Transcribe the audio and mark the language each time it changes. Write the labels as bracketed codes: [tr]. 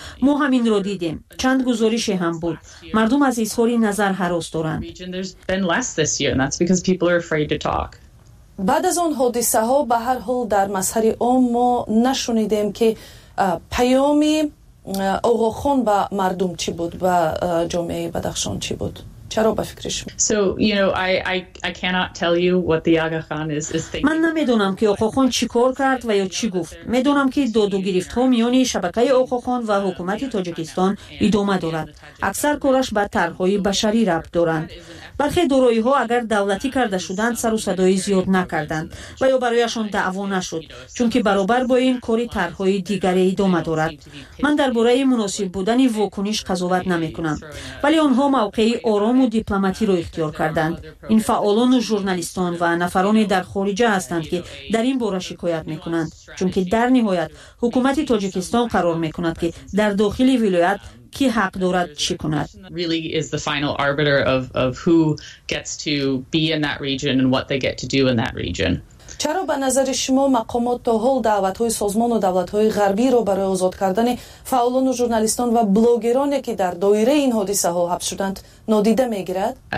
[fa] ما همین را دیدیم. چند گزارش هم بود. مردم از اظهار نظر هراس دارند. بعد از آن حادثه ها به هر حال در مظهر عام ما نشنیدیم که پیامی آقاخان به مردم چی بود، به جامعه بدخشان چی بود؟ چرا به فکرش؟ [en] I cannot tell you what the Aga Khan is thinking. [fa] من نمیدونم که آقاخان چی کار کرد و یا چی گفت. میدونم که دادو گرفت ها میان شبکه آقاخان و حکومت تاجیکستان ادامه دارد. اکثر کارش به طرح‌های بشری ربط دارند. برخی دارایی ها اگر دولتی کرده شدند سر و صدای زیاد نکردند و یا برایشان دعوا نشد، چون که برابر با این کاری طرح‌های دیگری ادامه دارد. من درباره مناسب بودن واکنش قضاوت نمی‌کنم، ولی آنها موقعی آرام و دیپلماتی را اختیار کردند. این فعالان و ژورنالیستان و نفران در خارجه هستند که در این باره شکایت می‌کنند، چون که در نهایت حکومت تاجیکستان قرار می‌کند که در داخل ولایت کی حق دارد چی کند. [en] Really is the final arbiter of who gets to be in that region and what they get to do in that region. [fa] چرا به نظر شما مقامات تا حال دعوت‌های سازمان و دولت‌های غربی را برای آزاد کردن فعالان و ژورنالیستان و بلاگرانی که در دایره این حادثه ها حبس شدند نادیده می‌گیرد؟